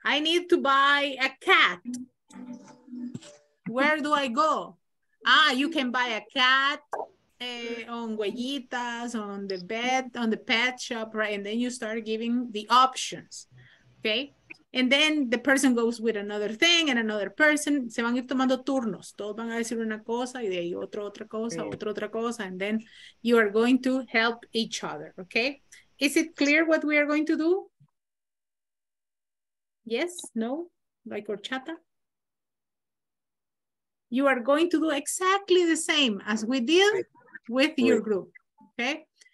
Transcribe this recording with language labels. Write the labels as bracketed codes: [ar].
[en] I need to buy a cat. Where do I go? Ah, you can buy a cat on Huellitas, on the bed, on the pet shop, right? And then you start giving the options, okay? And then the person goes with another thing and another person. [es] Se van a ir tomando turnos. Todos van a decir una cosa y de ahí otra cosa, okay. Otra cosa. [en] And then you are going to help each other, okay? Is it clear what we are going to do? Yes, no, like horchata? You are going to do exactly the same as we did with your group, okay?